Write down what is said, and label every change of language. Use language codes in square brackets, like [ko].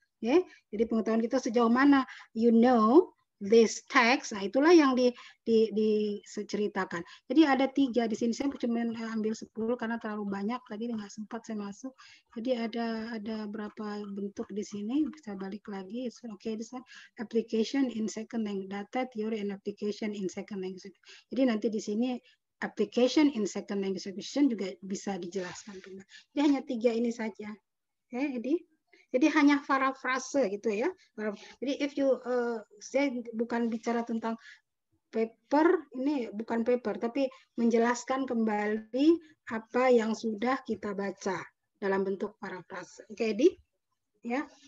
[id] Okay. Jadi pengetahuan kita sejauh mana you know this text, nah itulah yang diceritakan. Jadi ada tiga di sini, saya cuma ambil 10 karena terlalu banyak tadi nggak sempat saya masuk. Jadi ada berapa bentuk di sini, bisa balik lagi. [en] Okay, this one, application in second language, data theory and application in second language. [id] Jadi nanti di sini application in second language acquisition juga bisa dijelaskan. Jadi hanya tiga ini saja. Okay, jadi. Jadi hanya parafrase gitu ya. Jadi if you saya bukan bicara tentang paper, ini bukan paper, tapi menjelaskan kembali apa yang sudah kita baca dalam bentuk parafrase. Oke, okay, Edi? Ya.